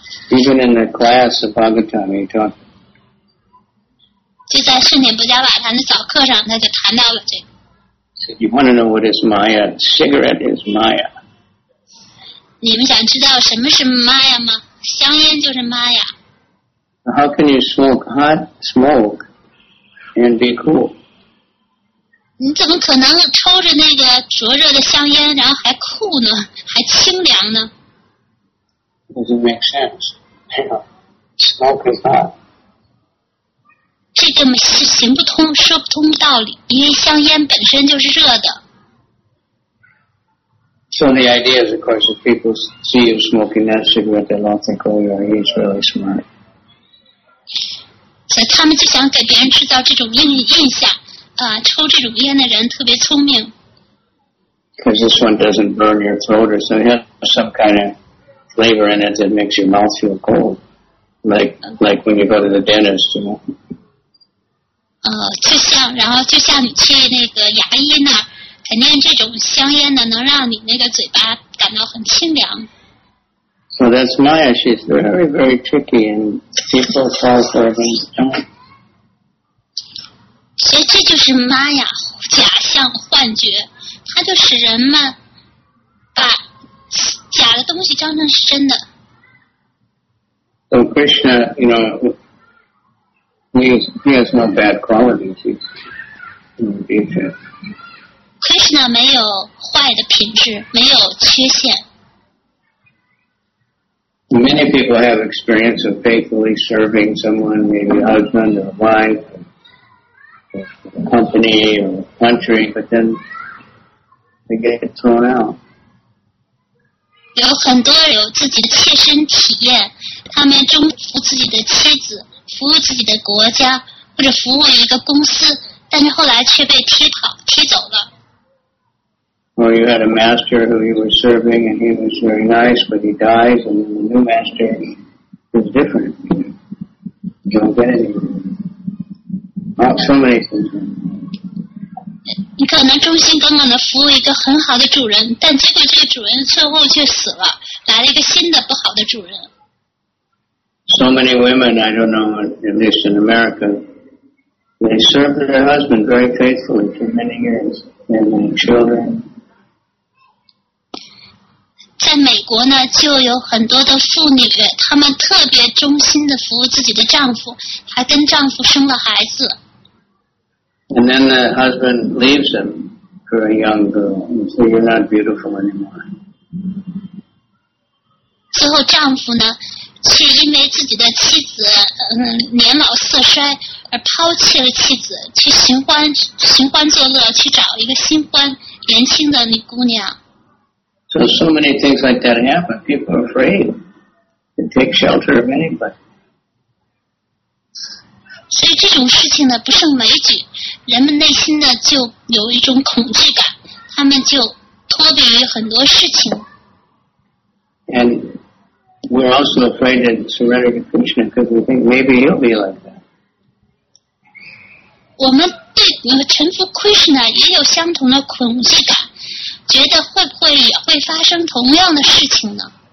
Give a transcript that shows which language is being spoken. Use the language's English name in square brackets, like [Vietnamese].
[English] Even in the class of Bhagavatam, he talked. [Chinese] 就在圣典不加瓦坛的早课上他就谈到了这个。 [English] He said, you want to know what is Maya? Cigarette is Maya. [Chinese] 你们想知道什么是 Maya 吗？香烟就是 Maya。 [English] How can you smoke hot smoke? And be cool. [Chinese] 你怎么可能抽着那个灼热的香烟，然后还酷呢，还清凉呢 [English] ？Doesn't make sense. Smoke is hot. [Chinese] 这个嘛是行不通，说不通道理，因为香烟本身就是热的。 [English] So the idea is, of course, if people see you smoking that cigarette, they'll all think, "Oh, yeah, he's really smart." [Chinese] 所以他们就想给别人制造这种印象，抽这种烟的人特别聪明。 [English] Because this one doesn't burn your throat, or some kind of flavor in it that makes your mouth feel cold, like when you go to the dentist, you know. [Chinese] 就像你去那个牙医那儿，肯定这种香烟呢，能让你那个嘴巴感到很清凉。 [English] So that's Maya. She's very, very tricky, and people fall for it and don't. [Chinese] 所以这就是 Maya 假象幻觉，它就使人们把假的东西当成是真的。 [English] So Krishna, you know, he has no bad qualities. [Chinese] Krishna 没有坏的品质，没有缺陷。 [English] Many people have experience of faithfully serving someone, maybe a husband or a wife, or a company or a country, but then they get thrown out. [Chinese] 有很多有自己的切身体验，他们忠服自己的妻子，服务自己的国家，或者服务一个公司，但是后来却被踢走了。 [English] Or you had a master who you were serving and he was very nice, but he dies and then the new master is different. You don't get anything. Not so many things. [Chinese] 你可能忠心耿耿地服务一个很好的主人，但结果这个主人最后却死了，来了一个新的不好的主人。 [English] So many women, I don't know, at least in America, they served their husband very faithfully for many years, and their children. [Chinese] 在美国呢，就有很多的妇女，她们特别忠心地服务自己的丈夫，还跟丈夫生了孩子。 [English] And then the husband leaves him for a young girl and says, "You're not beautiful anymore." [Chinese] 最后丈夫呢，却因为自己的妻子年老色衰而抛弃了妻子，去寻欢作乐，去找一个新欢，年轻的女姑娘。 [English] So many things like that happen. People are afraid to take shelter of anybody. [Chinese] 所以这种事情呢不胜枚举。人们内心呢就有一种恐惧感，他们就脱离于很多事情。 [English] And we're also afraid to surrender to Krishna because we think maybe he'll be like that. [Chinese] 我们对臣服 Krishna 也有相同的恐惧感，觉得会不会也会发生同样的事情呢？